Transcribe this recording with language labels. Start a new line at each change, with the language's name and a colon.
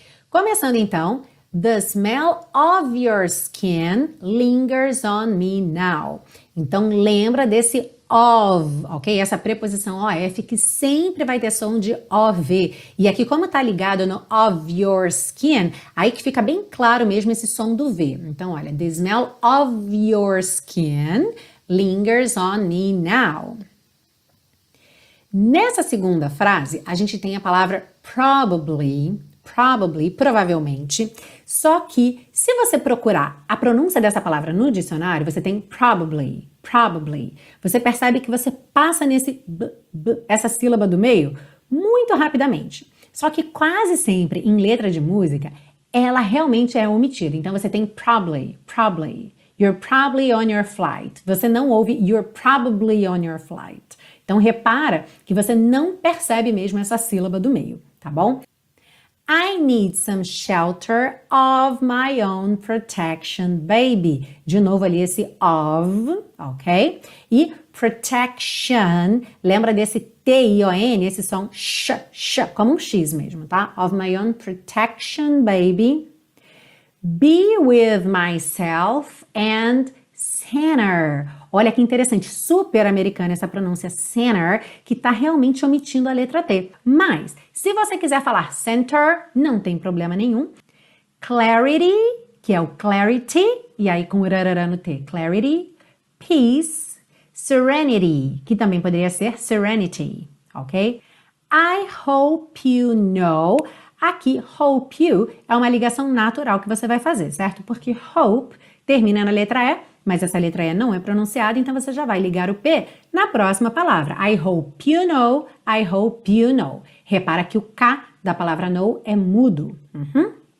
Portuguese: Começando então,
English: the smell of your skin lingers on me now.
Portuguese: Então lembra desse of, ok? Essa preposição OF que sempre vai ter som de OV. E aqui como tá ligado no
English: of your skin,
Portuguese: aí que fica bem claro mesmo esse som do V. Então olha,
English: the smell of your skin lingers on me now.
Portuguese: Nessa segunda frase, a gente tem a palavra probably, provavelmente. Só que se você procurar a pronúncia dessa palavra no dicionário, você tem probably. Você percebe que você passa nesse essa sílaba do meio muito rapidamente. Só que quase sempre em letra de música, ela realmente é omitida. Então você tem probably.
English: You're probably on your flight.
Portuguese: Você não ouve
English: you're probably on your flight.
Portuguese: Então repara que você não percebe mesmo essa sílaba do meio, tá bom?
English: I need some shelter of my own protection, baby.
Portuguese: De novo ali esse of, ok? E protection, lembra desse T-I-O-N, esse som sh, sh, como um X mesmo, tá?
English: Of my own protection, baby. Be with myself and center.
Portuguese: Olha que interessante, super americana essa pronúncia center, que tá realmente omitindo a letra T. Mas, se você quiser falar center, não tem problema nenhum. Clarity, que é o clarity, e aí com o rarará no T, clarity. Peace, serenity, que também poderia ser serenity, ok?
English: I hope you know.
Portuguese: Aqui, hope you, é uma ligação natural que você vai fazer, certo? Porque hope termina na letra E, mas essa letra E não é pronunciada, então você já vai ligar o P na próxima palavra.
English: I hope you know, I hope you know.
Portuguese: Repara que o K da palavra know é mudo. Uhum.